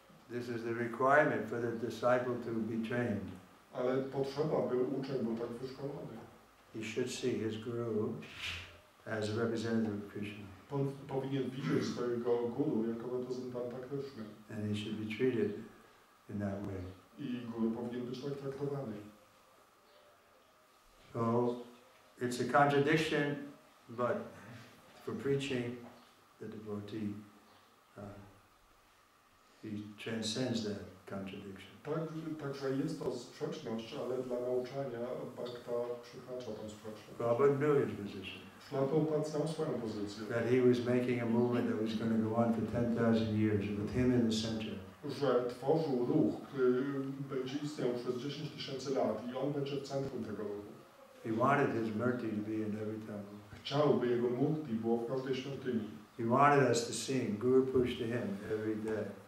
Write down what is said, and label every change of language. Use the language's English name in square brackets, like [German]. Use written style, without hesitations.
[English] This is the requirement for the disciple to be trained. [Polish] Ale potrzeba, by uczeń był tak wyszkolony. [English] He should see his guru as a representative of Krishna. [Polish] Powinien widzieć swojego guru jako reprezentanta Krishna. [English] And he should be treated in that way. [Polish] I guru powinien być tak traktowany. [English] So it's a contradiction, but for preaching, the devotee he transcends that contradiction. [Polish] Także jest to sprzeczność, ale dla nauczania bhakta przekracza tą sprzeczność. [English] Prabhupada knew his position. [Polish] Prabhupada znał swoją pozycję. [English] That he was making a movement that was going to go on for 10,000 years with him in the center. [Polish] Że tworzył ruch, który będzie istniał przez 10 tysięcy lat i on będzie w centrum tego ruchu. [English] He wanted his murti to be in every temple. [Polish] Chciał, by jego murti było w każdej świątyni. [English] He wanted us to sing Guru Puja to him every day.